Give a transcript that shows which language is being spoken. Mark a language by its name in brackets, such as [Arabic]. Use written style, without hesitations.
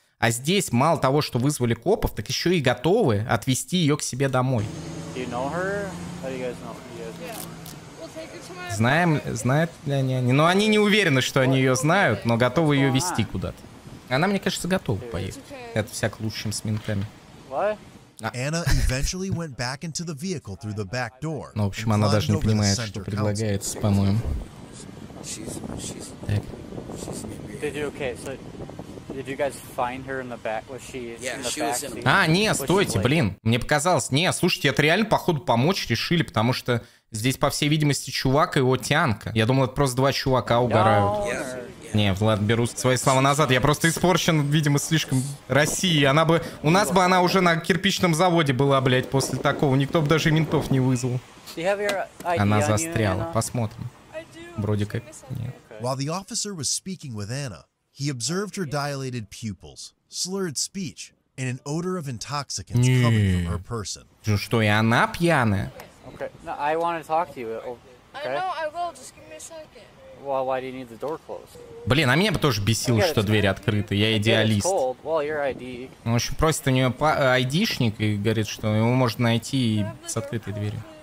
[Russian] А здесь мало того, что вызвали копов, так еще и готовы отвезти ее к себе домой. Знаем, знают ли они? Но они не уверены, что они ее знают, но готовы ее везти куда-то. Она, мне кажется, готова поехать. Это всяк лучше, чем с ментами. [English] Anna eventually went back into the vehicle through the back door. [Russian] Ну, в общем, она даже не понимает, что предлагается, по-моему. Так. [English] Did you okay? So, did you guys find her in the back? Was she in the back? [Russian] А, не, стойте, блин. Мне показалось. Не, слушайте, это реально, походу, помочь решили, потому что здесь, по всей видимости, чувак и его тянка. Я думал, это просто два чувака угорают. Не, Влад, беру свои слова назад. Я просто испорчен, видимо, слишком Россией. Она бы... У нас бы она уже на кирпичном заводе была, блядь, после такого. Никто бы даже ментов не вызвал. Она застряла. Посмотрим. Вроде как нет. [English] While the officer was speaking with Anna, he observed her dilated pupils, slurred speech, and an odor of intoxicants coming from her person. [Russian] Ну что, и она пьяная? [English] Okay. No, I want to talk to you. Okay. I know, I will. Just give me a second. Well, why do you need the door closed? [Russian] Блин, а меня бы тоже бесило, okay, что дверь открыта. Я идеалист. [English] Well, your ID. [Russian] Он вообще просит у нее айдишник и говорит, что его можно найти и с открытой дверью.